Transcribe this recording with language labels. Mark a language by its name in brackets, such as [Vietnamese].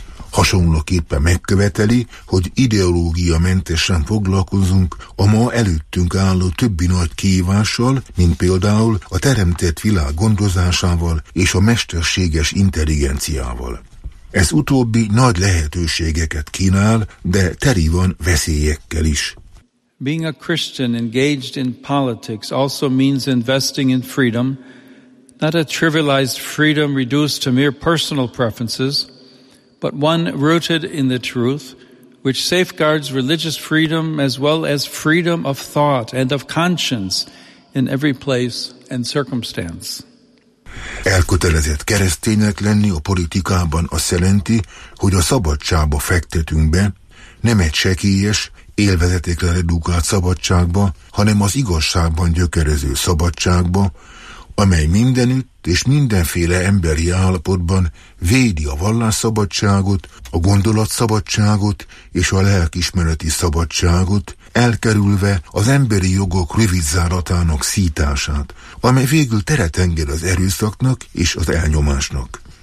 [Hungarian] Hasonlóképpen megköveteli, hogy ideológia mentesen foglalkozunk a ma előttünk álló többi nagy kihívással, mint például a teremtett világ gondozásával és a mesterséges intelligenciával. Ez utóbbi nagy lehetőségeket kínál, de teri van veszélyekkel is. [English] Being a Christian engaged in politics also means investing in freedom, not a trivialized freedom reduced to mere personal preferences, but one rooted in the truth, which safeguards religious freedom as well as freedom of thought and of conscience in every place and circumstance. [Hungarian] Elkötelezett kereszténynek lenni a politikában azt jelenti, hogy a szabadságba fektetünk be, nem egy sekélyes, élvezetekre redukált szabadságba, hanem az igazságban gyökerező szabadságba, amely mindenütt és mindenféle emberi állapotban védi a vallásszabadságot, a gondolatszabadságot és a lelkiismereti szabadságot, elkerülve az emberi jogok rövidzáratának szítását, amely végül teret enged az erőszaknak és az elnyomásnak.